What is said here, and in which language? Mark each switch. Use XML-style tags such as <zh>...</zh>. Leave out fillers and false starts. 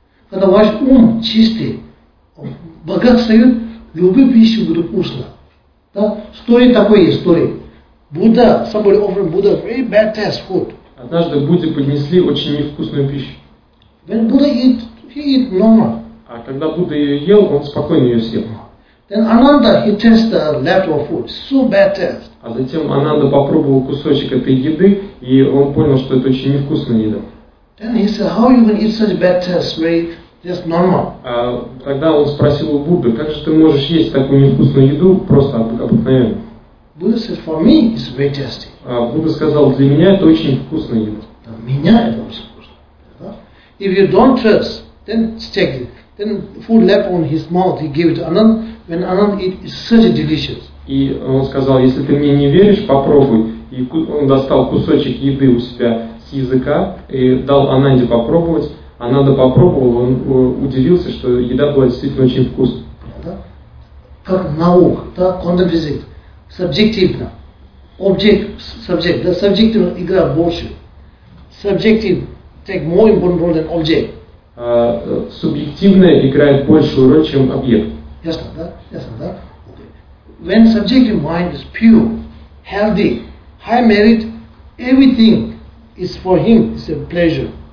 <ru>Когда ваш ум чистый, богат встает, любую пищу будет вкусно. Да? Стоит такой истории.</ru> <en>Будда, somebody offered Buddha very bad taste food.</en> <ru>Однажды Будде поднесли очень невкусную пищу.</ru> <en>When Buddha eat, he eat normal.</en> <ru>А когда Будда ее ел, он спокойно ее съел.</ru> <en>Then Ananda, he tasted the leftover food. So bad taste.</en> <ru>А затем Ананда попробовал кусочек этой еды, И он понял, что это очень невкусная еда.</ru> <en>Then he said, how you can eat such bad taste, very just normal.</en> <ru>Тогда он спросил у Будды, как же ты можешь есть такую невкусную еду просто обыкновенно?</ru> <en>Buddha said, for me it's very tasty.</en> <ru>Будда сказал, для меня это очень вкусная еда. Для меня это очень вкусно.</ru> <en>If you don't trust, then check it. Then food left on his mouth, he gave it to Anand. When Anand eat, it's such delicious.</en> <ru>И он сказал, если ты мне не веришь, попробуй. И он достал кусочек еды у себя с языка и дал Ананде попробовать. Ананда попробовал, он удивился, что еда была действительно очень вкусной. Да? Как наука, да, контрфизик, субъективно. Объект, субъект, да, субъективно играет больше.</ru> <en>Субъектив take more important role than object.</en> <ru>Субъективное играет большую роль, чем объект. Ясно, да? Ясно, да?</ru> <en>Okay. When subjective mind is pure, healthy, high merit, everything is for him, it's a pleasure.</en>